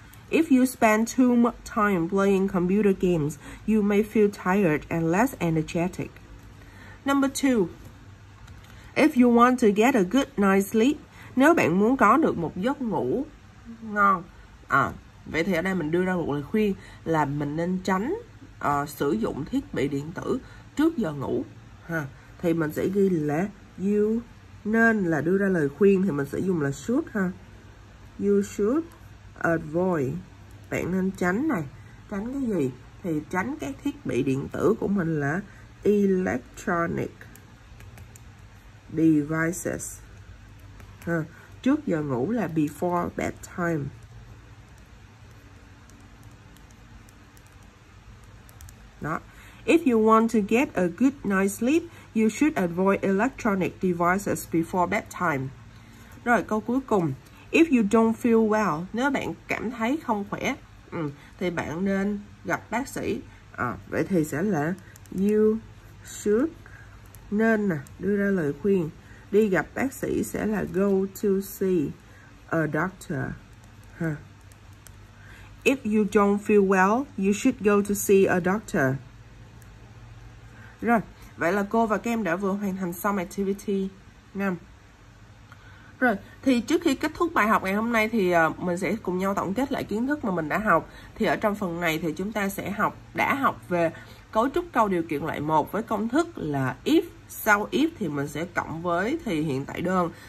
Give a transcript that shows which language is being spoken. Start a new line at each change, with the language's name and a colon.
English: If you spend too much time playing computer games, you may feel tired and less energetic. Number 2. If you want to get a good night's sleep,
Vietnamese: nếu bạn muốn có được một giấc ngủ ngon, vậy thì ở đây mình đưa ra một lời khuyên là mình nên tránh sử dụng thiết bị điện tử trước giờ ngủ ha. Thì mình sẽ ghi là you nên, là đưa ra lời khuyên thì mình sẽ dùng là should ha.
English: You should avoid.
Vietnamese: Bạn nên tránh này. Tránh cái gì? Thì tránh các thiết bị điện tử của mình là electronic devices. Trước giờ ngủ là
English: before bedtime.
Vietnamese: Đó.
English: If you want to get a good night's sleep, you should avoid electronic devices before bedtime.
Vietnamese: Rồi câu cuối cùng.
English: If you don't feel well,
Vietnamese: nếu bạn cảm thấy không khỏe, thì bạn nên gặp bác sĩ. Vậy thì sẽ là you should, nên nè, đưa ra lời khuyên. Đi gặp bác sĩ sẽ là
English: go to see a doctor. If you don't feel well, you should go to see a doctor.
Vietnamese: Rồi, vậy là cô và các em đã vừa hoàn thành xong activity 5. Rồi, thì trước khi kết thúc bài học ngày hôm nay thì mình sẽ cùng nhau tổng kết lại kiến thức mà mình đã học. Thì ở trong phần này thì chúng ta sẽ đã học về cấu trúc câu điều kiện loại 1 với công thức là if, sau if thì mình sẽ cộng với thì hiện tại đơn.